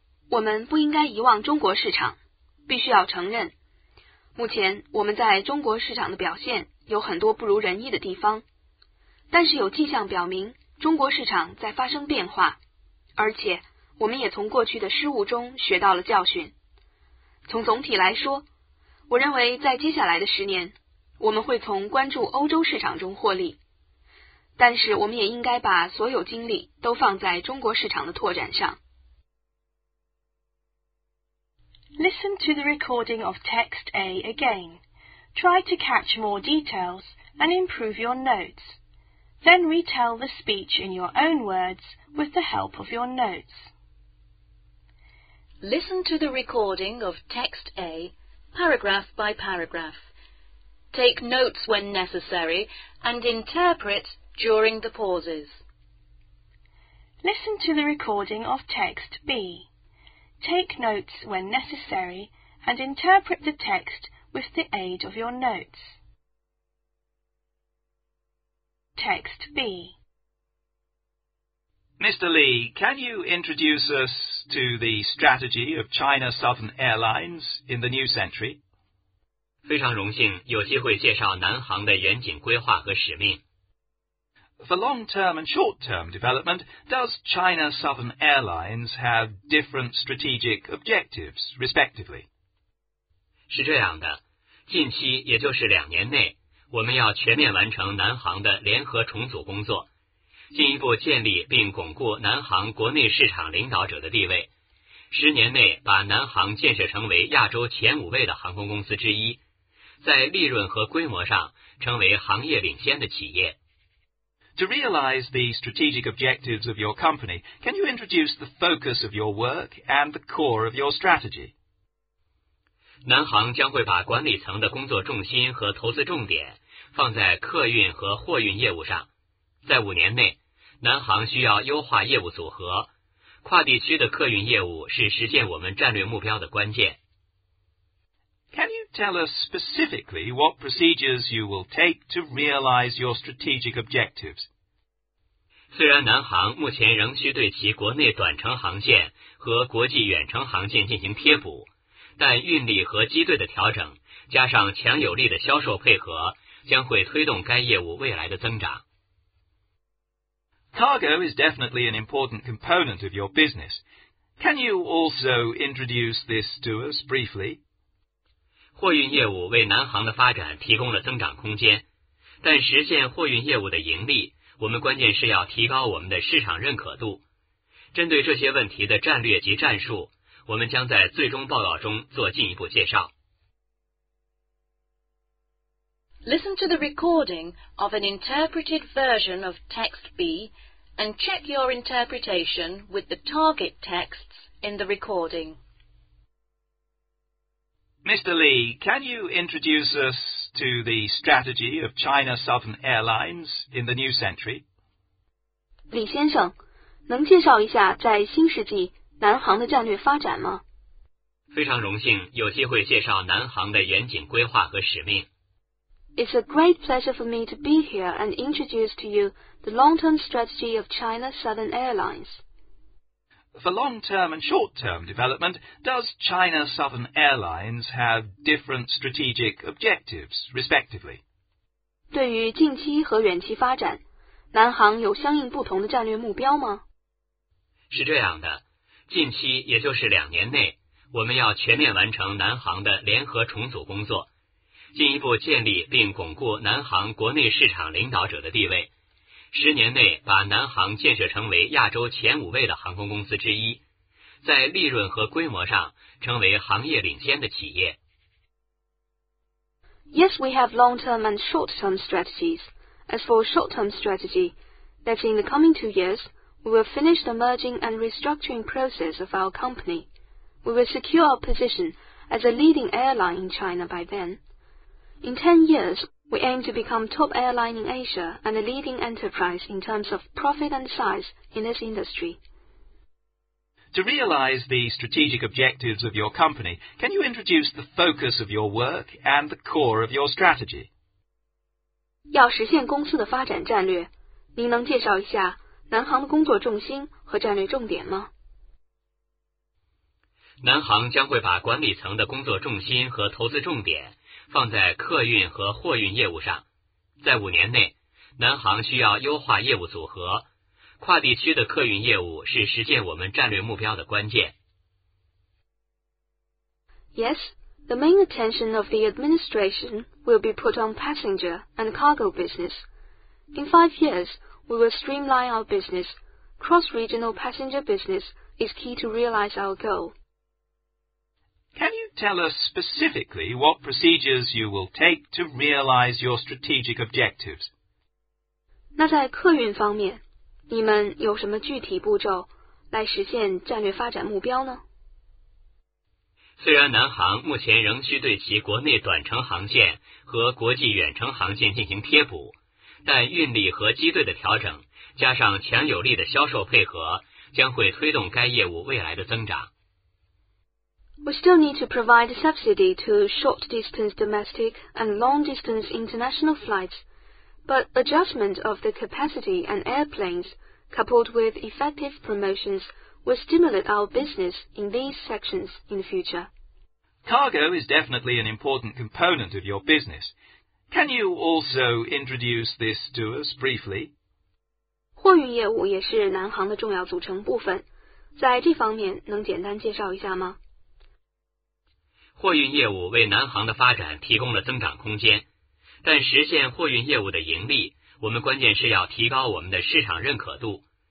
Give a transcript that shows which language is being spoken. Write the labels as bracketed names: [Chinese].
[Chinese] 我们不应该遗忘中国市场，必须要承认，目前我们在中国市场的表现有很多不如人意的地方，但是有迹象表明中国市场在发生变化，而且我们也从过去的失误中学到了教训。从总体来说，我认为在接下来的十年，我们会从关注欧洲市场中获利，但是我们也应该把所有精力都放在中国市场的拓展上。 [English] Listen to the recording of text A again. Try to catch more details and improve your notes. Then retell the speech in your own words with the help of your notes. Listen to the recording of text A, paragraph by paragraph. Take notes when necessary and interpret during the pauses. Listen to the recording of text B. Take notes when necessary and interpret the text with the aid of your notes. Text B. Mr. Li, can you introduce us to the strategy of China Southern Airlines in the new century? [Chinese] 非常荣幸有机会介绍南航的远景规划和使命。 [English] For long-term and short-term development, does China Southern Airlines have different strategic objectives, respectively? [Chinese] 是这样的，近期也就是两年内，我们要全面完成南航的联合重组工作，进一步建立并巩固南航国内市场领导者的地位，十年内把南航建设成为亚洲前五位的航空公司之一，在利润和规模上成为行业领先的企业。 [English] To realize the strategic objectives of your company, can you introduce the focus of your work and the core of your strategy? [Chinese] 南航将会把管理层的工作重心和投资重点放在客运和货运业务上。在五年内，南航需要优化业务组合，跨地区的客运业务是实现我们战略目标的关键。 [English] Can you tell us specifically what procedures you will take to realize your strategic objectives? [Chinese] 虽然南航目前仍需对其国内短程航线和国际远程航线进行贴补，但运力和机队的调整，加上强有力的销售配合，将会推动该业务未来的增长。 [English] Cargo is definitely an important component of your business. Can you also introduce this to us briefly? [Chinese] 货运业务为南航的发展提供了增长空间，但实现货运业务的盈利，我们关键是要提高我们的市场认可度。针对这些问题的战略及战术，我们将在最终报告中做进一步介绍。 [English] Listen to the recording of an interpreted version of text B and check your interpretation with the target texts in the recording. Mr. Li, can you introduce us to the strategy of China Southern Airlines in the new century? [Chinese] 李先生，能介绍一下在新世纪南航的战略发展吗？非常荣幸有机会介绍南航的远景规划和使命。 [English] It's a great pleasure for me to be here and introduce to you the long-term strategy of China Southern Airlines. For long-term and short-term development, does China Southern Airlines have different strategic objectives, respectively? [Chinese] 对于近期和远期发展，南航有相应不同的战略目标吗？是这样的，近期也就是两年内，我们要全面完成南航的联合重组工作，进一步建立并巩固南航国内市场领导者的地位，十年内把南航建设成为亚洲前五位的航空公司之一，在利润和规模上成为行业领先的企业。 [English] Yes, we have long-term and short-term strategies. As for short-term strategy, that in the coming 2 years, we will finish the merging and restructuring process of our company. We will secure our position as a leading airline in China by then. In 10 years, we aim to become top airline in Asia and a leading enterprise in terms of profit and size in this industry. To realize the strategic objectives of your company, can you introduce the focus of your work and the core of your strategy? [Chinese] 要实现公司的发展战略，您能介绍一下南航的工作重心和战略重点吗？南航将会把管理层的工作重心和投资重点放在客运和货运业务上，在五年内，南航需要优化业务组合，跨地区的客运业务是实现我们战略目标的关键。 [English] Yes, the main attention of the administration will be put on passenger and cargo business. In 5 years, we will streamline our business. Cross-regional passenger business is key to realize our goal. Can tell us specifically what procedures you will take to realize your strategic objectives. [Chinese] 那在客运方面，你们有什么具体步骤来实现战略发展目标呢？虽然南航目前仍需对其国内短程航线和国际远程航线进行贴补，但运力和机队的调整，加上强有力的销售配合，将会推动该业务未来的增长。 [English] We still need to provide subsidy to short-distance domestic and long-distance international flights, but adjustment of the capacity and airplanes, coupled with effective promotions, will stimulate our business in these sections in the future. Cargo is definitely an important component of your business. Can you also introduce this to us briefly? [Chinese] 货运业务也是南航的重要组成部分，在这方面能简单介绍一下吗？货运业务为南航的发展提供了增长空间，但实现货运业务的盈利，我们关键是要提高我们的市场认可度。